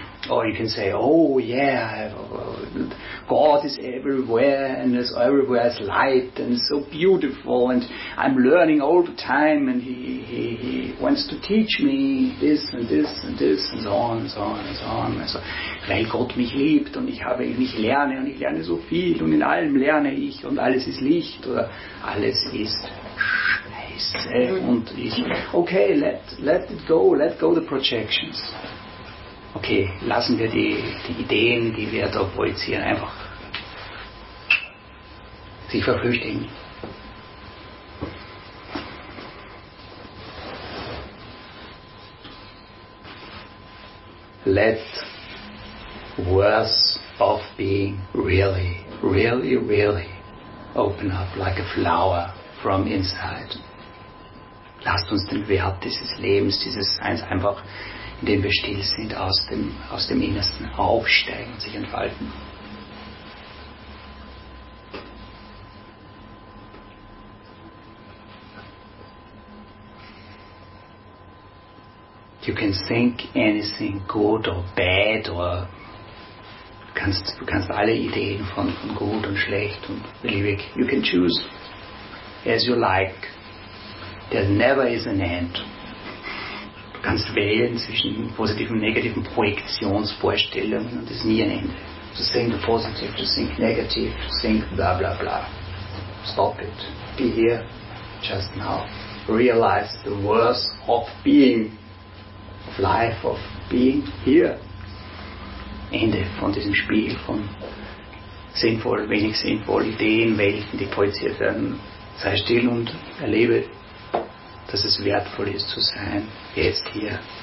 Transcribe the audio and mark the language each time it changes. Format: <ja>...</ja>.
<en>Or you can say, oh yeah, God is everywhere, and there's everywhere is light and so beautiful, and I'm learning all the time, and he wants to teach me this and this and this and so on and so on and so on.</en> <de>Also, weil Gott mich liebt und ich lerne so viel und in allem lerne ich und alles ist Licht oder alles ist Scheiße und ich.</de> <en>Okay, let it go, let go the projections.</en> <de>Okay, lassen wir die Ideen, die wir da projizieren, einfach sich verflüchtigen.</de> <en>Let worth of being really, really, really open up like a flower from inside.</en> <de>Lasst uns den Wert dieses Lebens, dieses Seins einfach, indem wir still sind, aus dem Innersten aufsteigen und sich entfalten.</de> <en>You can think anything good or bad, or</en> <de>du kannst alle Ideen von gut und schlecht und beliebig.</de> <en>You can choose as you like. There never is an end.</en> <de>Du kannst wählen zwischen positiven und negativen Projektionsvorstellungen und es ist nie ein Ende.</de> <en>To think the positive, to think negative, to think bla bla bla. Stop it. Be here just now. Realize the worth of being, of life, of being here.</en> <de>Ende von diesem Spiel von sinnvoll, wenig sinnvoll, Ideen, Welten, die projiziert werden. Sei still und erlebe, dass es wertvoll ist zu sein, jetzt hier.</de>